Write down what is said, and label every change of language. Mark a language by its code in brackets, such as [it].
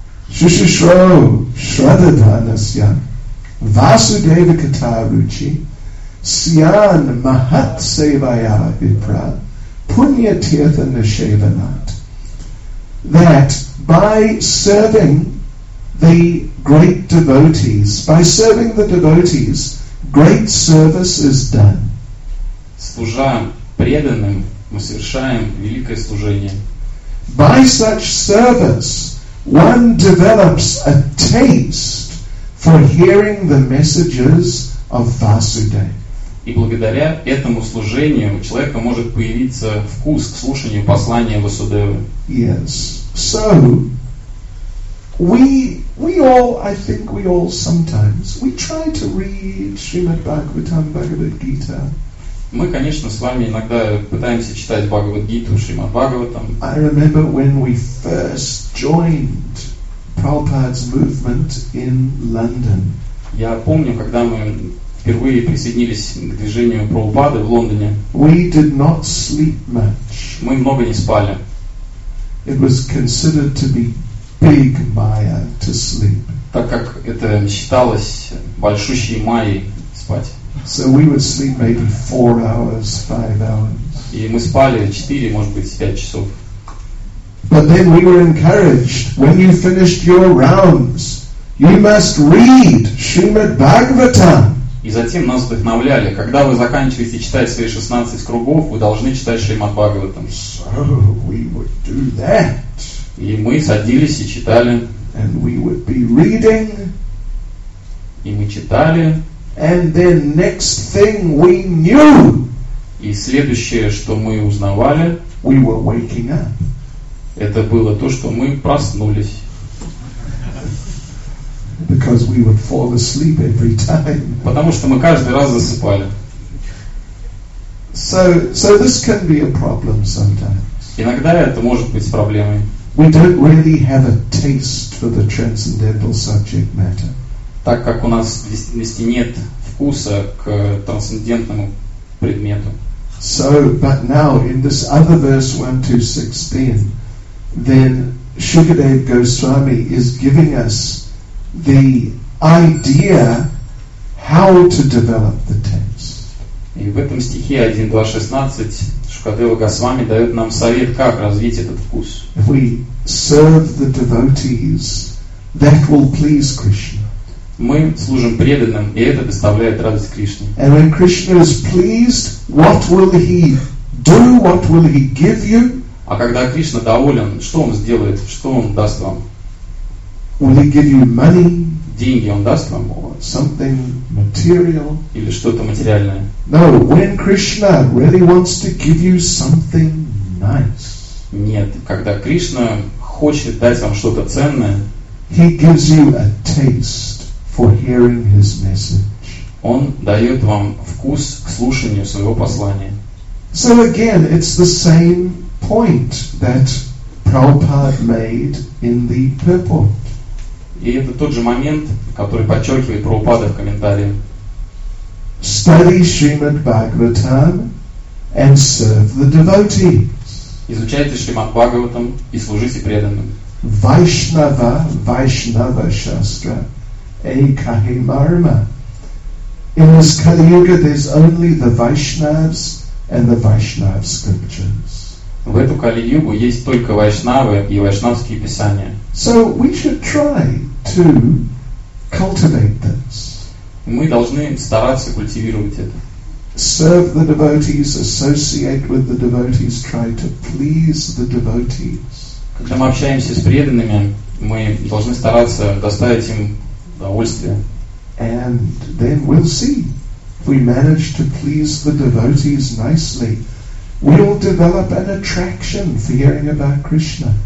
[sa] Шушушо, Шрададанасья, Васудева Катаручи. Сиян Махат Севая Випра Пунья Тирта Нишеванат. [en] That by serving the great devotees, by serving the devotees, great service is done. [ru] Служа преданным, мы совершаем великое служение. [en] By such service, one develops a taste for hearing the messages of Vasudeva. [ru] И благодаря этому служению у человека может появиться вкус к слушанию послания Васудевы. [en] Yes. So we all sometimes try to read Srimad Bhagavatam, Bhagavad Gita. [ru] Мы, конечно, с вами иногда пытаемся читать Бхагавад Гиту, Шримад Бхагаватам. [en] I remember when we first joined Prabhupada's movement in London. [ru] Я помню, когда мы впервые присоединились к движению Прабхупады в Лондоне. [en] We did not sleep much. [ru] Мы много не спали. [en] It was considered to be big maya to sleep. [ru] Так как это считалось большущей майей спать. [en] So we would sleep maybe 4 hours, 5 hours. [ru] И мы спали 4, может быть, 5 часов. [en] But then we were encouraged, when you finished your rounds, you must read Srimad Bhagavatam. [ru] И затем нас вдохновляли, когда вы заканчиваете читать свои 16 кругов, вы должны читать Шримад Бхагаватам. [en] So [ru] и мы садились и читали. [en] And we would be reading. [ru] И мы читали. [en] And then next thing we knew. [ru] И следующее, что мы узнавали, [en] we were waking up. [ru] Это было то, что мы проснулись. [en] because we would fall asleep every time. [ru] Потому что мы каждый раз засыпали. [en] So this can be a problem sometimes. [ru] Иногда это может быть проблемой. [en] We don't really have a taste for the transcendental subject matter. [ru] Так как у нас действительно нет вкуса к трансцендентному предмету. [en] So, but now in this other verse 1-16, then Shukadev Goswami is giving us the idea how to develop the taste. [ru] И в этом стихе 1-2-16 Шукадева Госвами дает нам совет, как развить этот вкус. [en] If we serve the devotees, that will please Krishna. [ru] Мы служим преданным, и это доставляет радость Кришне. [en] And when Krishna is pleased, what will he do? What will he give you? [ru] А когда Кришна доволен, что он сделает? Что он даст вам? [en] Will he give you money? [ru] Деньги он даст вам? [en] Something material? [ru] Или что-то материальное? [en] No, when Krishna really wants to give you something nice. [ru] Нет, когда Кришна хочет дать вам что-то ценное, [en] he gives you a taste for hearing his message. [ru] Он дает вам вкус к слушанию своего послания. [en] So again, it's the same point that Prabhupada made in the purport. [ru] И это тот же момент, который подчеркивает Прабхупада в комментарии. [en] Study Srimad Bhagavatam and serve the devotees. [ru] Изучайте Шримад Бхагаватам и служите преданным. [sa] Vaishnava, Vaishnava Shastra, Ekahi Marma. [en] In this Kali Yuga there's only the Vaishnavas and the Vaishnav scriptures. [ru] В эту Кали-Югу есть только вайшнавы и вайшнавские писания. [en] So we should try to cultivate this. [ru] Мы должны стараться культивировать это. [en] Serve the devotees, associate with the devotees, try to please the devotees. [ru] Когда мы общаемся с преданными, мы должны стараться доставить им удовольствие. [en] And then we'll see if we manage to please the devotees nicely. We'll develop an attraction for hearing about Krishna.